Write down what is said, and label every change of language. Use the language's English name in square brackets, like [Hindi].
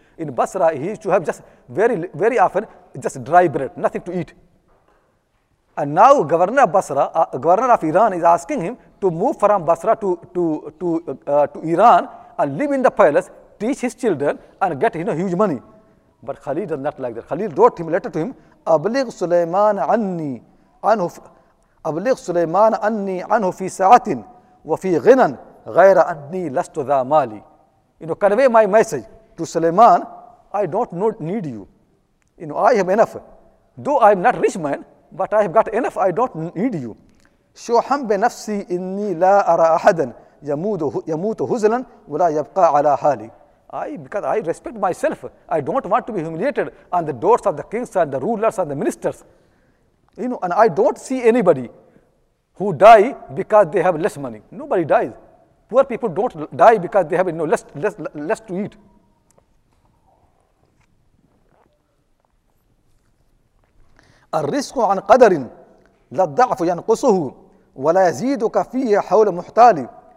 [English] In Basra, he used to have just very, very often, just dry bread, nothing to eat. And now, governor of Basra, governor of Iran is asking him to move from Basra to Iran and live in the palace, teach his children and get, you know, huge money. But Khalil does not like that. Khalil wrote him a letter to him, [Arabic] أبلغ سليمان أني عنه في ساعة وفي غنى غير أني لست ذا مالي. [English] You know, convey my message to Suleiman, I don't need you. You know, I have enough. Though I am not rich man, but I have got enough, I don't need you. [Arabic] شوحم بنفسي إني لا أرى أحدا يموت هزلا ولا يبقى على حالي. [English] Because I respect myself. I don't want to be humiliated on the doors of the kings and the rulers and the ministers. You know, and I don't see anybody who die because they have less money. Nobody dies. Poor people don't die because they have, you know, less to eat. [Arabic] الرزق عن قدر لا الضعف ينقصه ولا يزيدك فيه حول محتالي.